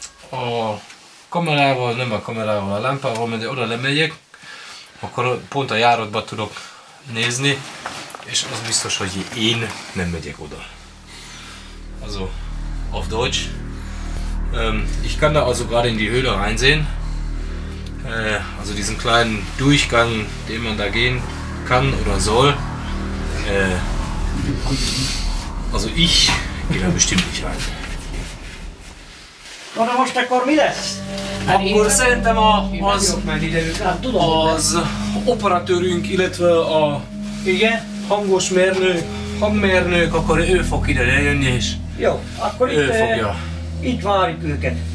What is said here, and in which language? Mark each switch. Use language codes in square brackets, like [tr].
[hu] A kamerával, nem a kamerával, a lámpával, mert oda lemegyek, akkor pont a járatba tudok nézni, és az biztos, hogy én nem megyek oda. [de] Also, auf Deutsch. Ich kann da also gerade in die Höhle reinsehen. Also diesen kleinen Durchgang, den man da gehen kann oder soll. Also ich gehe da bestimmt nicht rein. [hu] Na most akkor mi lesz? Hát akkor szerintem az operatőrünk, illetve a igen? Hangos mérnök, hangmérnők, akkor ő fog ide lejönni és jó, akkor ő fogja. Itt várjuk őket.